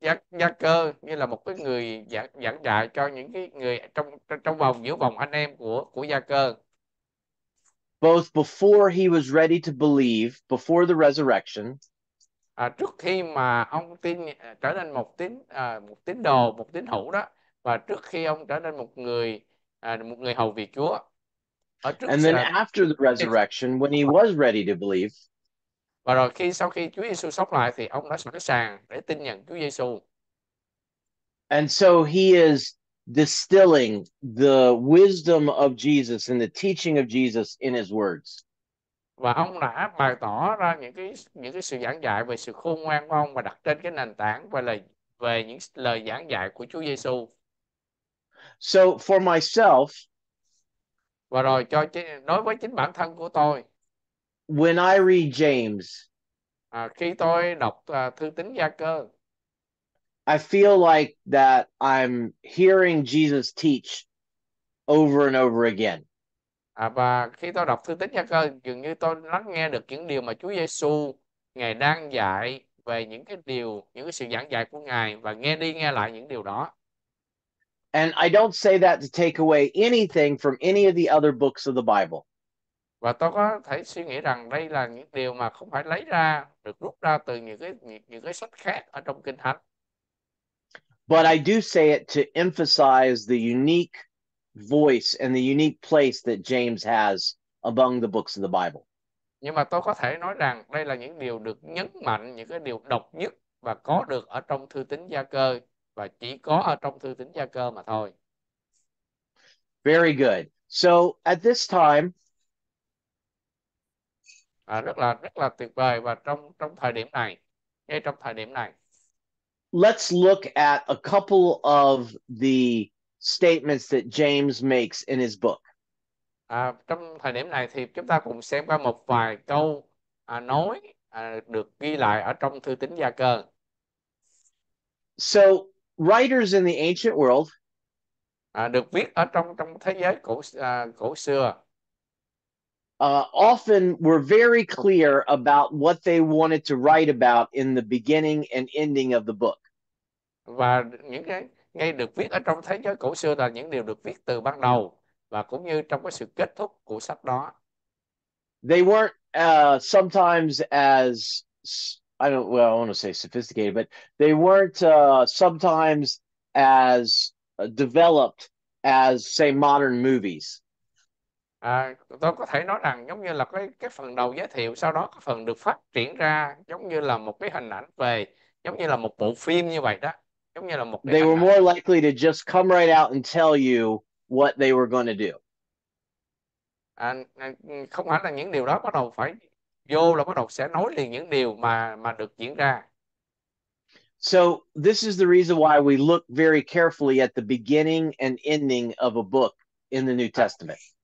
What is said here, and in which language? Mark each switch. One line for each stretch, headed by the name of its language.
Vietnamese: Gia Cơ như là một cái người giảng dạy cho những cái người trong vòng giữa vòng anh em của Gia Cơ.
English: Both before he was ready to believe, before the resurrection,
Vietnamese: À, trước khi mà ông tin trở nên một tín hữu đó, và trước khi ông trở nên một người hầu việc Chúa ở trước
English: and then after the resurrection, when he was ready to believe,
Vietnamese: Và rồi khi sau khi Chúa Giêsu sống lại thì ông đã sẵn sàng để tin nhận Chúa Giêsu.
English: and so he is distilling the wisdom of Jesus and the teaching of Jesus in his words.
Vietnamese: Và ông đã bày tỏ ra những cái sự giảng dạy về sự khôn ngoan của ông và đặt trên cái nền tảng về những lời giảng dạy của Chúa Giêsu.
English: So for myself,
Vietnamese: Và rồi đối với chính bản thân của tôi,
English: when I read James,
Vietnamese: Khi tôi đọc thư tín Gia Cơ,
English: I feel like that I'm hearing Jesus teach over and over again.
Vietnamese: và khi tôi đọc thư tín Gia Cơ, dường như tôi lắng nghe được những điều mà Chúa Giêsu Ngài đang dạy về những cái sự giảng dạy của Ngài và nghe đi nghe lại những điều đó.
English: And I don't say that to take away anything from any of the other books of the Bible.
Vietnamese: Và tôi có thể suy nghĩ rằng đây là những điều mà không phải lấy ra được rút ra từ những cái sách khác ở trong Kinh Thánh.
English: But I do say it to emphasize the unique voice and the unique place that James has among the books of the Bible.
Vietnamese: Nhưng mà tôi có thể nói rằng đây là những điều được nhấn mạnh, những cái điều độc nhất và có được ở trong thư tín Gia Cơ và chỉ có ở trong thư tín Gia Cơ mà thôi.
English: Very good. So at this time,
Vietnamese: Rất là tuyệt vời và trong trong thời điểm này, ngay trong thời điểm này.
English: let's look at a couple of the statements that James makes in his book.
Vietnamese: Trong thời điểm này thì chúng ta cùng xem qua một vài câu nói được ghi lại ở trong thư tín Gia Cơ.
English: So, writers in the ancient world,
Vietnamese: Được viết ở trong trong thế giới cổ xưa.
English: often were very clear about what they wanted to write about in the beginning and ending of the book.
Vietnamese: Và những cái ngay được viết ở trong thế giới cổ xưa là những điều được viết từ ban đầu và cũng như trong cái sự kết thúc của sách đó.
English: They weren't sometimes as I don't well I want to say sophisticated, but they weren't sometimes as developed as say modern movies.
Vietnamese: Tôi có thể nói rằng giống như là cái phần đầu giới thiệu, sau đó cái phần được phát triển ra giống như là một cái hình ảnh về giống như là một bộ phim như vậy đó. Giống như là một cái
English: They were
Vietnamese: hình ảnh.
English: more likely to just come right out and tell you what they were going to do.
Vietnamese: Không phải là những điều đó bắt đầu phải vô là bắt đầu sẽ nói liền những điều mà được diễn ra.
English: So this is the reason why we look very carefully at the beginning and ending of a book in the New Testament.